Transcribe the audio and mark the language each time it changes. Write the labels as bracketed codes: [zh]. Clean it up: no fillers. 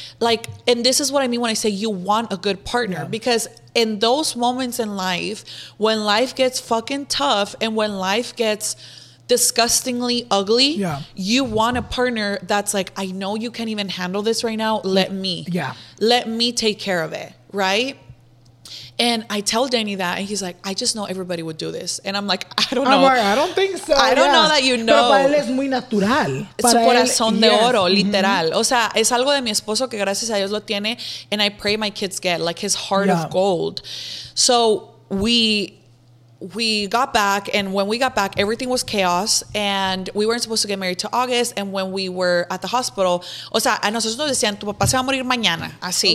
[en] Like, and this is what I mean when I say you want a good partner, because in those moments in life, when life gets fucking tough and when life gets disgustingly ugly, you want a partner that's like, I know you can't even handle this right now. Let me take care of it. Right. And I tell Danny that, and he's like, I just know everybody would do this. And I'm like, I don't know. I'm like, I don't think so. I don't know that you know. [es] Pero para él es muy natural. Es su corazón de oro, literal. Mm-hmm. O sea, es algo de mi esposo que gracias a Dios lo tiene. [en] And I pray my kids get, like, his heart of gold. So we got back, and when we got back, everything was chaos, and we weren't supposed to get married till August. And when we were at the hospital, [es] o sea, a nosotros nos decían, tu papá se va a morir mañana. Así.